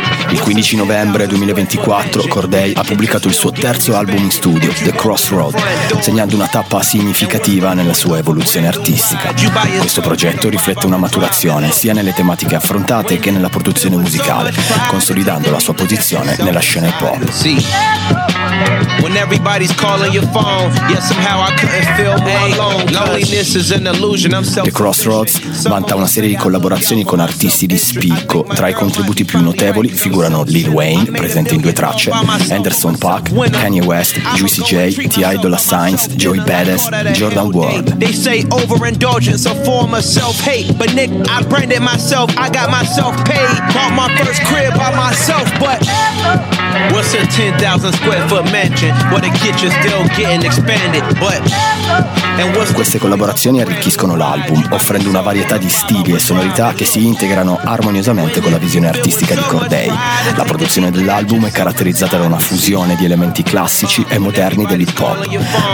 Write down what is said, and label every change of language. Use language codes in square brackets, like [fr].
[it] Il 15 novembre 2024 Cordae ha pubblicato il suo terzo album in studio, The Crossroad, segnando una tappa significativa nella sua evoluzione artistica. Questo progetto riflette una maturazione sia nelle tematiche affrontate che nella produzione musicale, consolidando la sua posizione nella scena hip hop. [en] When everybody's calling your phone, yeah, somehow I couldn't feel alone. Loneliness is an illusion. [it] The Crossroads vanta una serie di collaborazioni con artisti di spicco. Tra i contributi più notevoli figurano Lil Wayne, presente in due tracce, Anderson .Paak, Kanye West, Juicy J, T.I. Dolla $ign, Joey Badass, Jordan Ward. [en] They say overindulgence, a form of self-hate, but Nick, I branded myself, I got myself paid. Bought my first crib by myself, but what's a 10,000 square foot mansion? What a kitchen still getting expanded, but [it] queste collaborazioni arricchiscono l'album, offrendo una varietà di stili e sonorità che si integrano armoniosamente con la visione artistica di Cordae. La produzione dell'album è caratterizzata da una fusione di elementi classici e moderni dell'hip hop.